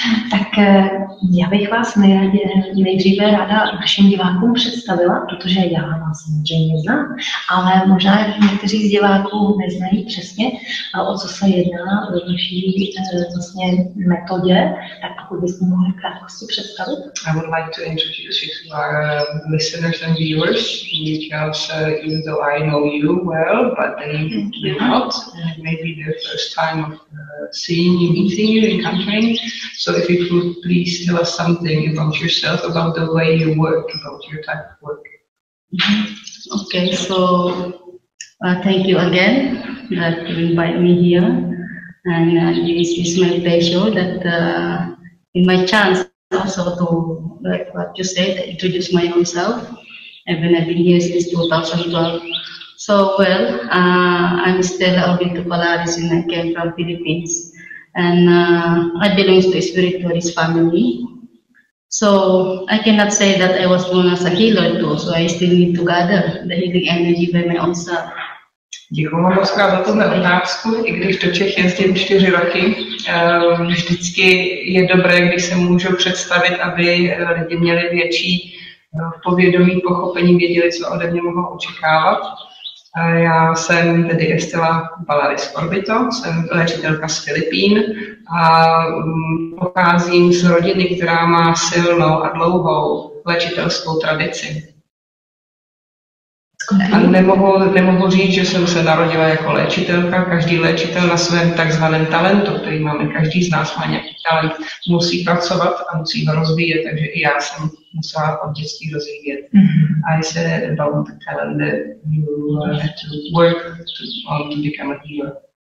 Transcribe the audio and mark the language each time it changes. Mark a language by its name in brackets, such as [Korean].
[Czech] Tak já bych vás nejdříve ráda našim divákům představila, protože já vás samozřejmě znám, ale možná někteří z diváků neznají přesně, o co se jedná v naší vlastně metodě, tak pokud byste mohli krátkosti představit. [English] I would like to introduce you to our listeners and viewers, because even though I know you well, but they do not, maybe the first time of seeing you, meeting you, encountering. So if you could please tell us something about yourself, about the way you work, about your type of work. Okay, so thank you again that you invite me here, and it's my pleasure that in my chance also to, like what you said, introduce my own self. I've been here since 2012. So well, I'm Estela Orbito Palaris and I came from Philippines. And I belong to a spiritualist family. So I cannot say that I was born as a healer too, so I still need to gather the healing energy by my own self. [Czech] Děkuji vám moc za tuhle otázku. I když do Čech jezdím 4 roky, vždycky je dobré, když se můžu představit, aby lidi měli větší povědomí, pochopení, věděli, co ode mě mohou očekávat. Já jsem tedy Estela Palaris Orbito, jsem léčitelka z Filipín a pocházím z rodiny, která má silnou a dlouhou léčitelskou tradici. A nemohu říct, že jsem se narodila jako léčitelka. Každý léčitel na svém takzvaném talentu, který máme každý z nás, má nějaký talent, musí pracovat a musí ho rozvíjet, takže i já jsem musela od dětství rozvíjet. Mm-hmm. [English] I said about the talent that you had to work to, on to become a healer.